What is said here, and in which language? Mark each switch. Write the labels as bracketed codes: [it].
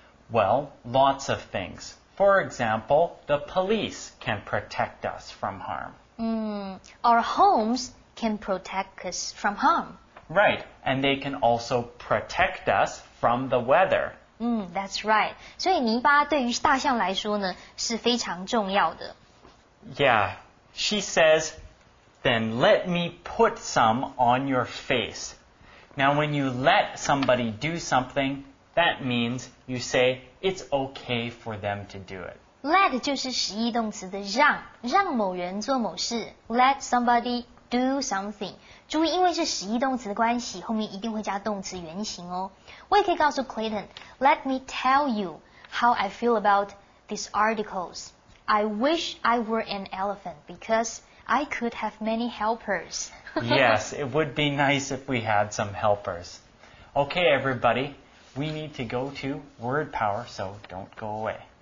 [en] Well, lots of things. For example, the police can protect us from harm. Our homes can protect us from harm. Right, and they can also protect us from the weather. That's right. [zh] 所以泥巴对于大象来说呢是非常重要的。 [en] Yeah, she says, then let me put some on your face. Now when you let somebody do something, that means you say it's okay for them to do it. [zh] Let 就是实义动词的让，让某人做某事。 [en] Let somebody do something. [zh] 注意因为是实义动词的关系，后面一定会加动词原形哦。我也可以告诉 [en] Clayton, let me tell you how I feel about these articles. I wish I were an elephant because I could have many helpers. Yes, it would be nice if we had some helpers. Okay, everybody, we need to go to Word Power, so don't go away.